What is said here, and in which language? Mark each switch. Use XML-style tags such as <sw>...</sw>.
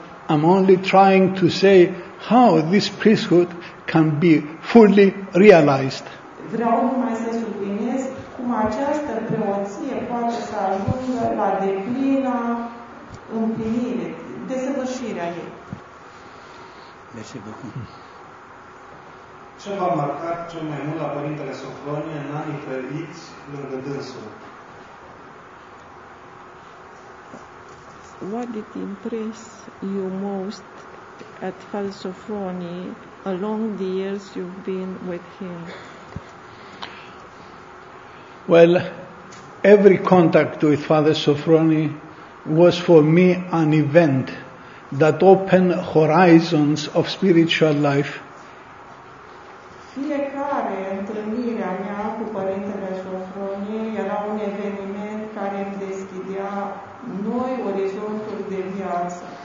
<en>I'm only trying to say how this priesthood can be fully realized.</en> <ro>Vreau numai să subliniez cum această preoție poate să ajungă la deplina împlinire, desăvârșirea ei. Mersi, bucur. Ce v-a marcat cel mai mult la Părintele Sofronie în anii trăiți lângă dânsul?</ro> <en>What did impress you most at Father Sofronie along the years you've been with him? Well, every contact with Father Sofronie was for me an event that opened horizons of spiritual life.</en> <ro>Fiecare întâlnire a mea cu Părintele Sofronie era un eveniment care îmi deschidea noi orizonturi de viață.</ro>